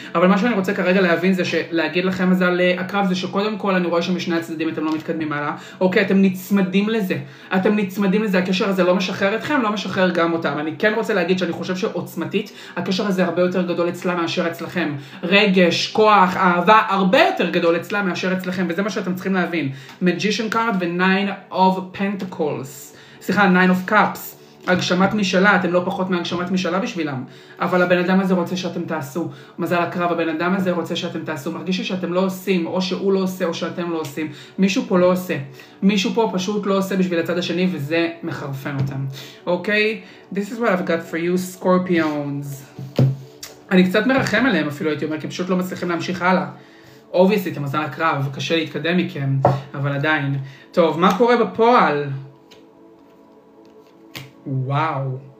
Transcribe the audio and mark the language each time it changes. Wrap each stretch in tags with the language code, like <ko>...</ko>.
<he>אבל מה שאני רוצה כרגע להבין זה להגיד לכם זה על הקרב, זה שקודם כל אני רואה שמשני הצדדים אתם לא מתקדמים מעלה, אוקיי, אתם נצמדים לזה, אתם נצמדים לזה, הקשר הזה לא משחרר אתכם, לא משחרר גם אותם. אני כן רוצה להגיד שאני חושב שעוצמתית, הקשר הזה הרבה יותר גדול אצלה מאשר אצלכם. רגש, כוח, אהבה, הרבה יותר גדול אצלה מאשר אצלכם, וזה מה שאתם צריכים להבין. Magician card ו-Nine of Pentacles. סליחה, Nine of Cups. הגשמת משלה, אתם לא פחות מהגשמת משלה בשבילם. אבל הבן אדם הזה רוצה שאתם תעשו. מזל הקרב, הבן אדם הזה רוצה שאתם תעשו. מרגיש שאתם לא עושים, או שהוא לא עושה, או שאתם לא עושים. מישהו פה לא עושה. מישהו פה פשוט לא עושה בשביל הצד השני, וזה מחרפן אותם. אוקיי? Okay?</he> <en>This is what I've got for you, Scorpions.</en> <he>אני קצת מרחם עליהם אפילו, הייתי אומר, כי פשוט לא מצליחים להמשיך הלאה. Obviously, אתם מזל הקרב, קשה להתקדם מכם, אבל עדיין. טוב, מה קורה בפועל? וואו.</he>